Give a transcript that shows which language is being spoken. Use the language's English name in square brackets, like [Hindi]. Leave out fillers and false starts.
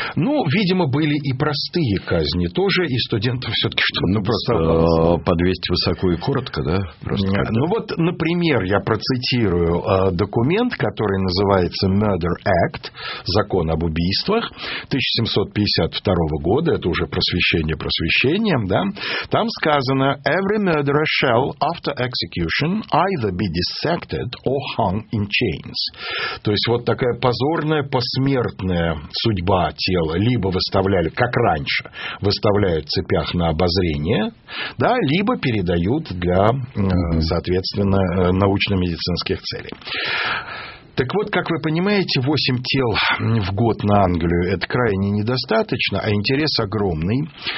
[Russian] Ну, видимо, были и простые казни тоже, и студентов все-таки что-то просто по 200 высоко и коротко, да? Ну вот, например, я процитирую документ, который называется Murder Act, закон об убийствах 1752 года, это уже просвещение просвещением, да? Там сказано: [English] every murderer shall after execution either be dissected or hung in chains. [Russian] То есть вот такая позорная посмертная судьба тела: либо выставляли, как раньше, выставляют в цепях на обозрение, да, либо передают для, соответственно, научно-медицинских целей. Так вот, как вы понимаете, 8 тел в год на Англию – это крайне недостаточно, а интерес огромный.